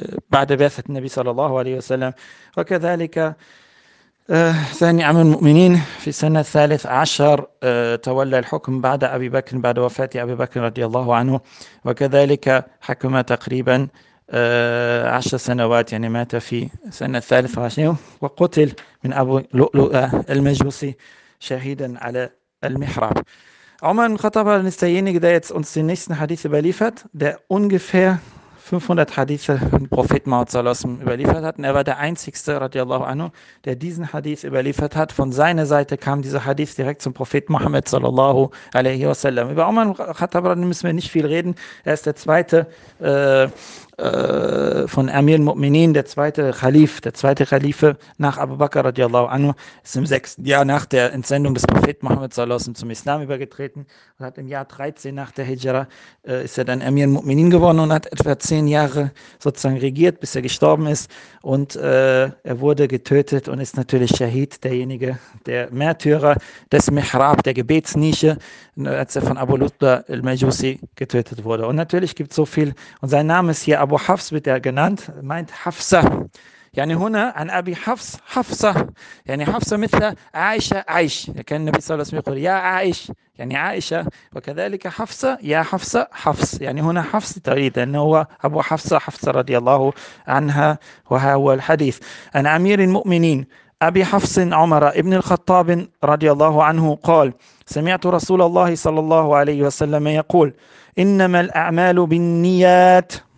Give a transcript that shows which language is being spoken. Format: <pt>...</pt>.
<ar>بعد بعثة النبي صلى الله عليه وسلم وكذلك ثاني عم المؤمنين في السنة الثالث عشر تولى الحكم بعد أبي بكر بعد وفاة أبي بكر رضي الله عنه وكذلك حكم تقريبا 10 سنوات يعني مات في سنة 23 وقتل من أبو لؤلؤة المجوسي شهيدا على المحراب.</ar> <de>عمر بن الخطاب derjenige, der jetzt uns den nächsten Hadith überliefert, der ungefähr 500 Hadithe von Prophet Muhammad sallallahu alaihi wasallam überliefert hat. Und er war der einzigste, radiallahu anhu, der diesen Hadith überliefert hat. Von seiner Seite kam dieser Hadith direkt zum Prophet Muhammad sallallahu alaihi wasallam. Über Umar al-Khattab müssen wir nicht viel reden. Er ist der zweite von Amir al-Mu'minin, der zweite Khalif, der zweite Khalife nach Abu Bakr radiallahu anhu. Ist im sechsten Jahr nach der Entsendung des Prophet Muhammad sallallahu alaihi wasallam zum Islam übergetreten. Und hat im Jahr 13 nach der Hijra ist er dann Amir al-Mu'minin geworden und hat etwa 10 Jahre sozusagen regiert, bis er gestorben ist und er wurde getötet und ist natürlich Shahid, derjenige, der Märtyrer des Mihrab, der Gebetsnische, als er von Abu Lutla al-Majusi getötet wurde. Und natürlich gibt es so viel, und sein Name ist hier Abu Hafs, wird er genannt, meint Hafsa.</de> <ar>يعني هنا عن أبي حفص حفصة يعني حفصة مثل عائشة عائش كان النبي صلى الله عليه وسلم يقول يا عائش يعني عائشة وكذلك حفصة يا حفصة حفص يعني هنا حفص تريد أنه هو أبو حفصة حفصة رضي الله عنها وهذا هو الحديث عن أمير المؤمنين أبي حفص عمر ابن الخطاب رضي الله عنه قال سمعت رسول الله صلى الله عليه وسلم يقول إنما الأعمال بالنيات</ar>